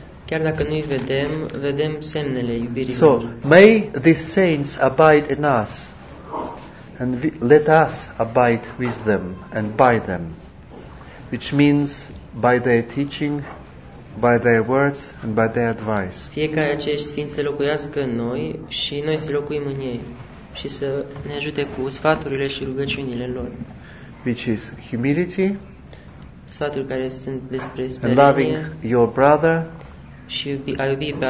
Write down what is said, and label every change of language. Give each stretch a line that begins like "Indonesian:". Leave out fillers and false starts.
Romanian: Chiar dacă nu-i vedem, vedem semnele iubirii.
English: So may these saints abide in us, and let us abide with them and by them, which means by their teaching, by their words and by their advice.
Romanian: Fie ca acești sfinți să locuiască în noi și noi să locuim în ei și să ne ajute cu sfaturile și rugăciunile lor.
English: Which is humility,
Romanian: sfaturi care sunt despre smerenie,
English: and loving your brother,
Romanian: și iubi pe